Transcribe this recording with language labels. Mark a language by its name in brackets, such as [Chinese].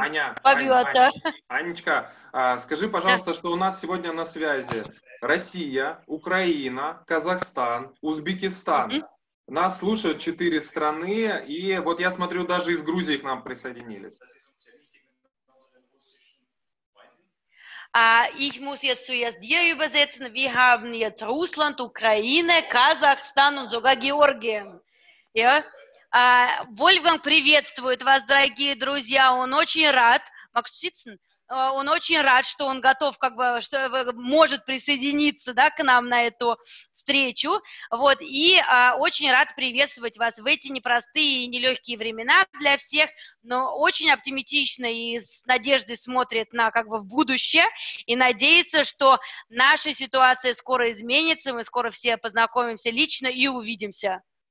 [Russian] Аня, Анечка, скажи, пожалуйста, что у нас сегодня на связи Россия, Украина, Казахстан, Узбекистан. Нас слушают 4 страны, и вот я смотрю, даже из Грузии к нам присоединились. [German] Ich muss jetzt zuerst dir übersetzen. Wir haben jetzt Russland, Ukraine, Kasachstan und sogar Georgien. Ja? [Russian] Wolfgang приветствует вас, дорогие друзья. Он очень рад. [German] Magst du sitzen? [Russian] Он очень рад, что он готов, как бы, что может присоединиться, да, к нам на эту встречу. Вот, и очень рад приветствовать вас в эти непростые и нелегкие времена для всех, но очень оптимистично и с надеждой смотрит на, как бы, в будущее и надеется, что наша ситуация скоро изменится, мы скоро все познакомимся лично и увидимся.